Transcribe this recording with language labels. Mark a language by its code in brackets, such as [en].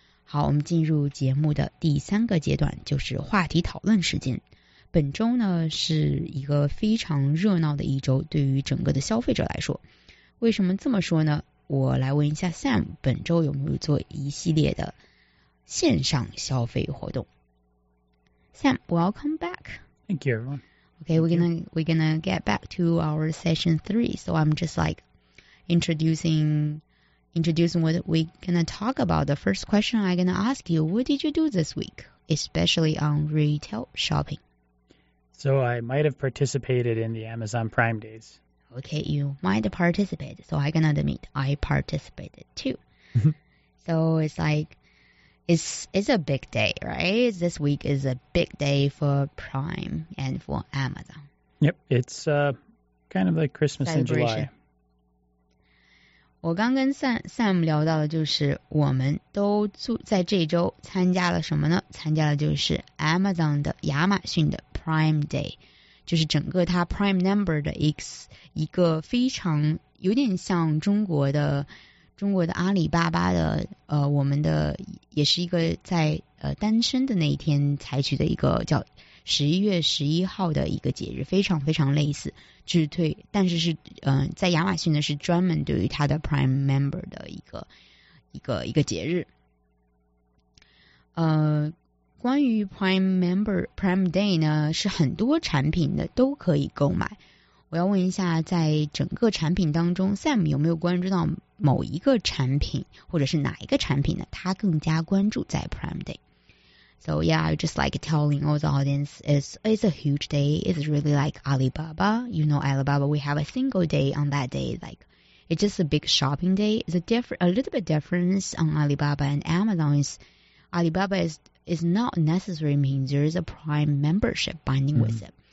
[zh] 好，我们进入节目的第三个阶段，就是话题讨论时间。本周呢是一个非常热闹的一周，对于整个的消费者来说。为什么这么说呢？我来问一下 Sam， 本周有没有做一系列的线上消费活动？ [en] Sam， welcome back. Thank you, everyone. Okay, we're gonna get back to our session three. So I'm just like introducing what we're gonna talk about. The first question I'm gonna ask you, what did you do this week, especially on retail shopping? So I might have participated in the Amazon Prime Days. Okay, you might participate. So I'm gonna admit, I participated too. So it's like, it's a big day, right? This week is a big day for Prime and for Amazon. Yep, it's kind of like Christmas in July. [zh] 我刚跟 Sam 聊到的就是我们都在这周参加了什么呢？参加了就是 Amazon 的亚马逊的 Prime Day， 就是整个它 Prime Number 的一个非常有点像中国的阿里巴巴的我们的也是一个在单身的那一天采取的一个叫11月11号的一个节日，非常非常类似，只对，但是是在亚马逊呢是专门对于他的 Prime Member 的一个节日。关于 Prime Member Prime Day 呢，是很多产品的都可以购买。我要问一下，在整个产品当中 ，Sam 有没有关注到某一个产品，或者是哪一个产品呢？他更加关注在 Prime Day。 [en] So yeah, I just like telling all the audience, it's a huge day. It's really like Alibaba. You know, Alibaba, we have a single day on that day. Like, it's just a big shopping day. It's a little bit different on Alibaba and Amazon. Alibaba is not necessary means there is a Prime membership binding with it.